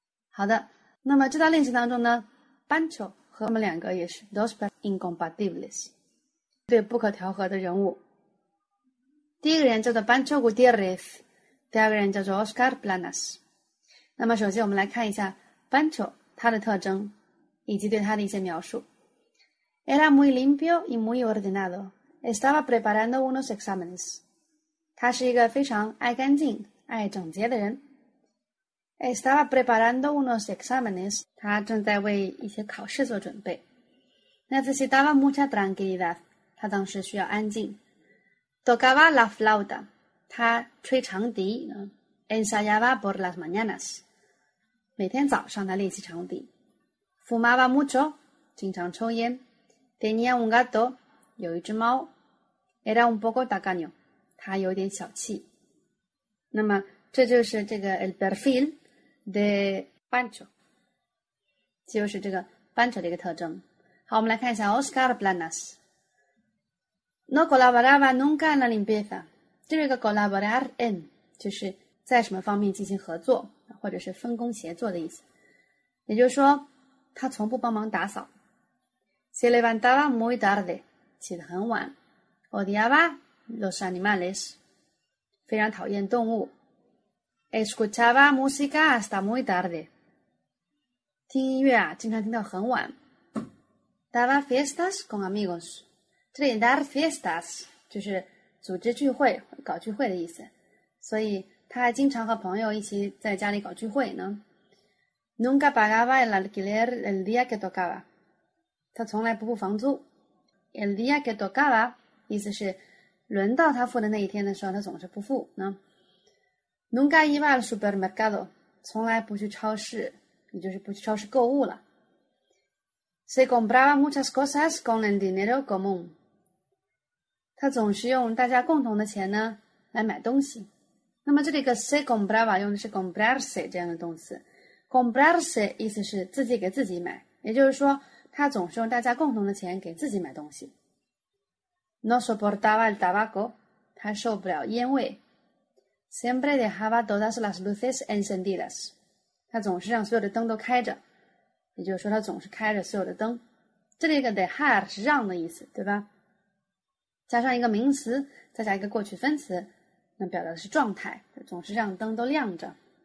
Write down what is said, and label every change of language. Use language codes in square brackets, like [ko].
[zh] 好的，那么这道练习当中呢，班丘和我们两个也是 [es] dos incompatibles， [zh] 对不可调和的人物。第一个人叫做 Pancho Gutiérrez， 第二个人叫做 Oscar Planas。那么首先我们来看一下 Pancho 他的特征以及对他的一些描述。 [es] Era muy limpio y muy ordenado. Estaba preparando unos exámenes. [zh] 他是一个非常爱干净、爱整洁的人。 [es] Estaba preparando unos exámenes. [zh] 他正在为一些考试做准备。 [es] Necesitaba mucha tranquilidad. [zh] 他当时需要安静。 [es] Tocaba la flauta. [zh] 他吹长笛。 [es] Ensayaba por las mañanas. [zh] 每天早上他练习长笛。 [es] Fumaba mucho. [zh] 经常抽烟。 [es] Tenía un gato, [zh] 有一只猫。 [es] Era un poco tacaño, [zh] 他有点小气。那么这就是这个 [es] el perfil de Pancho, [zh] 就是这个 Pancho 的一个特征。好，我们来看一下 Oscar Planas。 [es] No colaboraba nunca en la limpieza, [zh] 这个 colaborar en, 就是在什么方面进行合作或者是分工协作的意思。也就是说他从不帮忙打扫。 [es] Se levantaba muy tarde, [zh] 起得很晚。 [es] Odiaba los animales, [zh] 非常讨厌动物。 [es] Escuchaba música hasta muy tarde, [zh] 听音乐啊，经常听到很晚。 [es] Daba fiestas con amigos, [zh] 这里 dar fiestas 就是组织聚会、搞聚会的意思。所以他还经常和朋友一起在家里搞聚会呢。 [es] Nunca pagaba el alquiler el día que tocaba. [zh] 他从来不付房租。 [es] El día que tocaba, [zh] 意思是轮到他付的那一天的时候他总是不付呢。 [es] Nunca iba al supermercado, [zh] 从来不去超市，也就是不去超市购物了。 [es] Se compraba muchas cosas con el dinero común. [zh] 他总是用大家共同的钱呢来买东西。那么这里个 se compraba 用的是 comprarse 这样的动词。 Comprarse 意思是自己给自己买，也就是说他总是用大家共同的钱给自己买东西。 [es] No soportaba el tabaco, [zh] 他受不了烟味。 [es] Siempre dejaba todas las luces encendidas, [zh] 他总是让所有的灯都开着，也就是说他总是开着所有的灯。这里一个 dejar 是让的意思，对吧？加上一个名词，再加一个过去分词，那表达的是状态，总是让灯都亮着。